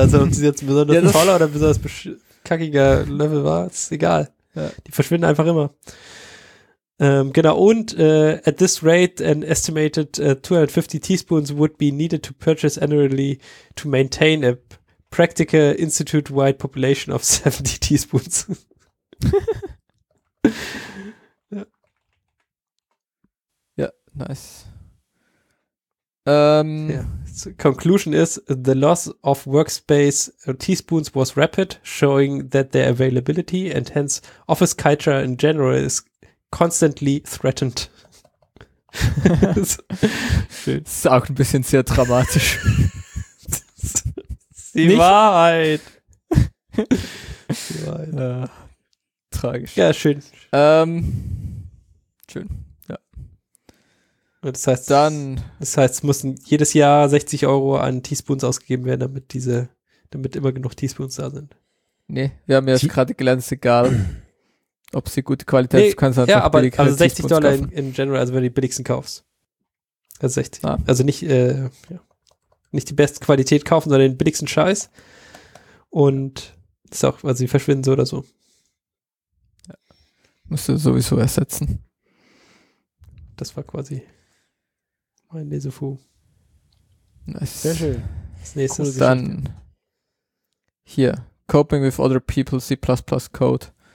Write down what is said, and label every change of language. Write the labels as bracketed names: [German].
[German] Also ob es jetzt besonders toller oder besonders kackiger Löffel war, ist egal. Ja. Die verschwinden einfach immer. Genau, und [English] at this rate, an estimated 250 teaspoons would be needed to purchase annually to maintain a practical institute-wide population of 70 teaspoons. Nice. So conclusion is the loss of workspace teaspoons was rapid, showing that their availability and hence office culture in general is constantly threatened. [German] Schön. Das ist auch ein bisschen sehr dramatisch. Die Wahrheit. Die Wahrheit. Ja. Tragisch. Ja, schön. Schön. Das heißt, es müssen jedes Jahr 60 Euro an Teaspoons ausgegeben werden, damit immer genug Teaspoons da sind. Nee, wir haben ja gerade gelernt, es ist egal, ob sie gute Qualität, du kannst einfach billig kaufen. Ja, aber 60 Dollar [English] in general, [German] also wenn du die billigsten kaufst. Also 60. Ah. Also nicht die beste Qualität kaufen, sondern den billigsten Scheiß. Und das ist auch, also sie verschwinden so oder so. Ja. Musst du sowieso ersetzen. Das war quasi mein Lesefu. Nice. Sehr schön. Das nächste Gut, dann hier. [English] Coping with other people, C++ Code.